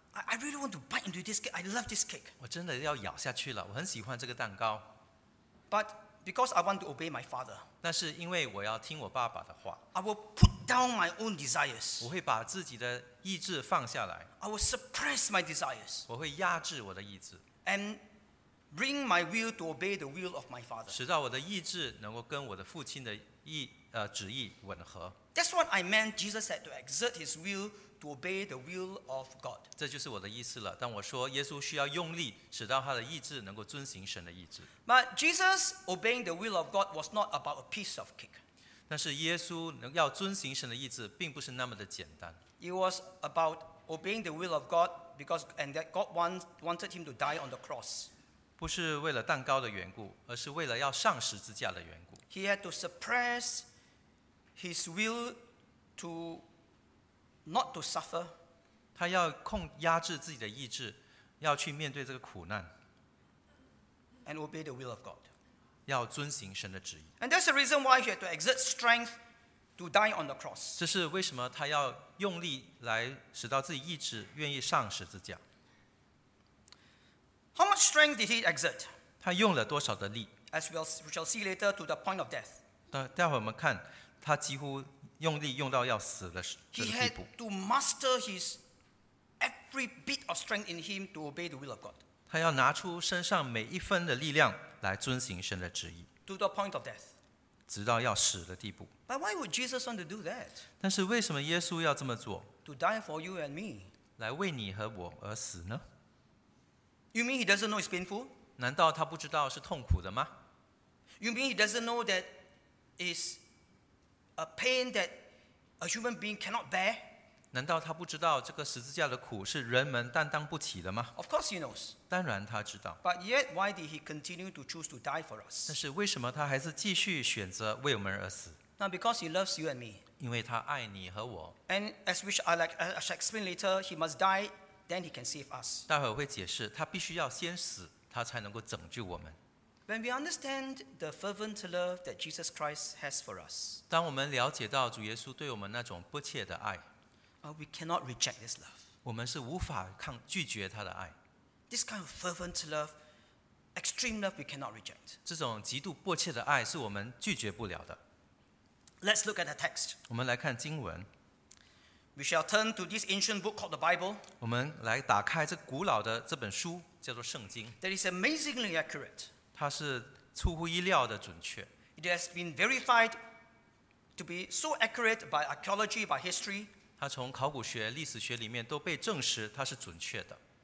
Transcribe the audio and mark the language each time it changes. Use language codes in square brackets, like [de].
[en] I really want to bite into this cake. I love this cake. [zh] 我真的要咬下去了，我很喜欢这个蛋糕。 [en] But because I want to obey my father. [zh] 但是因为我要听我爸爸的话。 [en] I will put down my own desires. [zh] 我会把自己的意志放下来。 [en] I will suppress my desires. [zh] 我会压制我的意志。 [en] And bring my will to obey the will of my father. [zh] 使到我的意志能够跟我的父亲的旨意吻合。 [en] That's what I meant. Jesus said to exert his will. To obey the will of God. [zh] 这就是我的意思了。当我说耶稣需要用力，使到他的意志能够遵行神的意志。 [en] But Jesus obeying the will of God was not about a piece of cake. [zh] 但是耶稣要遵行神的意志，并不是那么的简单。 [en] It was about obeying the will of God because and that God wanted him to die on the cross. [zh] 不是为了蛋糕的缘故，而是为了要上十字架的缘故。 [en] He had to suppress his will to. Not to suffer. [zh] 他要控压制自己的意志，要去面对这个苦难。 [en] And obey the will of God. [zh] 要遵行神的旨意。 [en] And that's the reason why he had to exert strength to die on the cross. [zh] 这是为什么他要用力来使到自己意志愿意上十字架。 [en] How much strength did he exert? [zh] 他用了多少的力 [en] ？As we shall see later, to the point of death. [zh] 待会我们看他几乎。用力用到要死的地步。 [en] He had to master his every bit of strength in him to obey the will of God. [zh] 他要拿出身上每一分的力量来遵行神的旨意。 [en] To the point of death. [zh] 直到要死的地步。 [en] But why would Jesus want to do that? [zh] 但是为什么耶稣要这么做 [en] ？To die for you and me. [zh] 来为你和我而死呢 [en] ？You mean he doesn't know it's painful? [zh] 难道他不知道是痛苦的吗 [en] ？You mean he doesn't know that it's A pain that a human being cannot bear. [zh] 难道他不知道这个十字架的苦是人们担当不起的吗 [en] ？Of course he knows. [zh] 当然他知道。 [en] But yet, why did he continue to choose to die for us? [zh] 但是为什么他还是继续选择为我们而死 [en] ？Now because he loves you and me. [zh] 因为他爱你和我。 [en] And as we shall like as I explain later, he must die, then he can save us. [zh] 待会我会解释，他必须要先死，他才能够拯救我们。 [en] When we understand the fervent love that Jesus Christ has for us, [zh] 当我们了解到主耶稣对我们那种不切的爱 [en] we cannot reject this love. [zh] 我们是无法抗拒绝他的爱。 [en] This kind of fervent love, extreme love, we cannot reject. [zh] 这种极度迫切的爱是我们拒绝不了的。 [en] Let's look at the text. [zh] 我们来看经文。 [en] We shall turn to this ancient book called the Bible. [zh] 我们来打开这古老的这本书，叫做圣经。 [en] That is amazingly accurate. [zh] 它是出乎意料的准确。 [en] It has been verified to be so accurate by archaeology, by history. [zh] 它从考古学、历史学里面都被证实它是准确的。